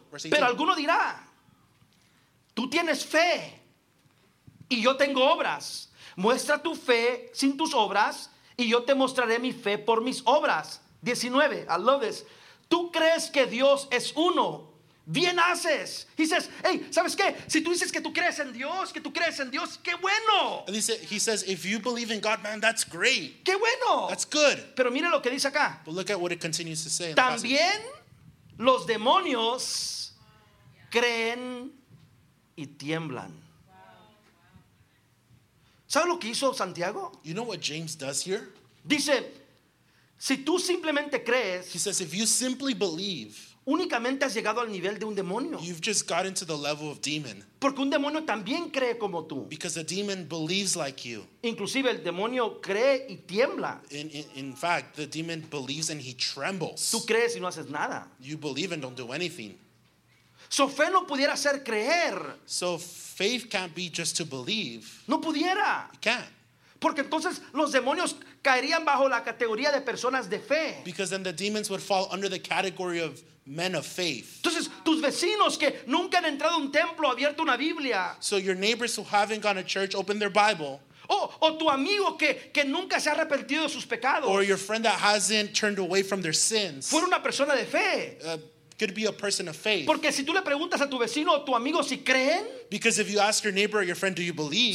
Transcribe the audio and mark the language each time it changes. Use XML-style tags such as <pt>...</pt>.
<es>Pero alguno dirá, tú tienes fe y yo tengo obras. Muestra tu fe sin tus obras y yo te mostraré mi fe por mis obras. 19.</es> <en>I love this.</en> <es>Tú crees que Dios es uno. Bien haces.</es> <en>He says, hey,</en> <es>¿sabes qué? Si tú dices que tú crees en Dios, que tú crees en Dios, ¡qué bueno!</es> <en>And he says, if you believe in God, man, that's great.</en> <es>¡Qué bueno!</es> <en>That's good.</en> <es>Pero mire lo que dice acá.</es> <en>But look at what it continues to say.</en> <es>También los demonios creen y tiemblan. ¿Sabes lo que hizo Santiago?</es> <en>You know what James does here?</en> <es>Dice, si tú simplemente crees.</es> <en>He says, if you simply believe.</en> <es>únicamente has llegado al nivel de un demonio.</es> <en>You've just gotten to the level of demon.</en> <es>Porque un demonio también cree como tú.</es> <en>Because a demon believes like you.</en> <es>Inclusive el demonio cree y tiembla.</es> <en>In fact, the demon believes and he trembles.</en> <es>Tú crees y no haces nada.</es> <en>You believe and don't do anything.</en> <es>So fe no pudiera ser creer.</es> <en>So faith can't be just to believe.</en> <es>No pudiera.</es> <en>It can't.</en> <es>Porque entonces los demonios caerían bajo la categoría de personas de fe.</es> <en>Because then the demons would fall under the category of men of faith.</en> <es>Entonces tus vecinos que nunca han entrado a un templo, abierto una Biblia.</es> <en>So your neighbors who haven't gone to church, open their Bible.</en> <es>O tu amigo que nunca se ha arrepentido de sus pecados.</es> <en>Or your friend that hasn't turned away from their sins.</en> <es>Fuera una persona de fe.</es> <en>Could be a person of faith.</en> <es>Porque si tú le preguntas a tu vecino o tu amigo si creen,</es> <en>because if you ask your neighbor or your friend, do you believe?</en>